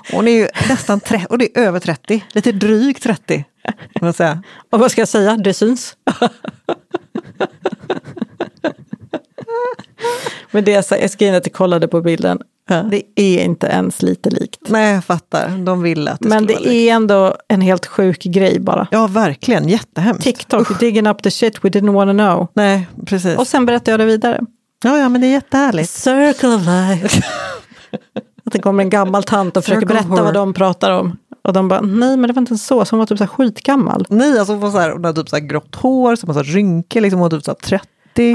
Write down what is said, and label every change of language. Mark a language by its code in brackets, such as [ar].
[sv] Hon är ju nästan 30. Och det är över 30. Lite drygt 30. Kan man säga. Och vad ska jag säga? Det syns. Men det jag skrev att jag kollade på bilden. Det är inte ens lite likt. Nej, jag fattar. De vill att det ska vara. Men det är ändå en helt sjuk grej bara. Ja, verkligen. Jättehemskt. [en] TikTok, digging up the shit we didn't want to know. [sv] Nej, precis. Och sen berättar jag det vidare. Ja, ja, men det är jättehärligt. [en] Circle of life. [sv] Att det kommer en gammal tant och försöker berätta vad de pratar om. Och de bara, nej, men det var inte så. Så hon var typ så här skitgammal. Nej, alltså hon var så här, hon hade typ så här grått hår, som en så här rynke, liksom hon var typ så här 30.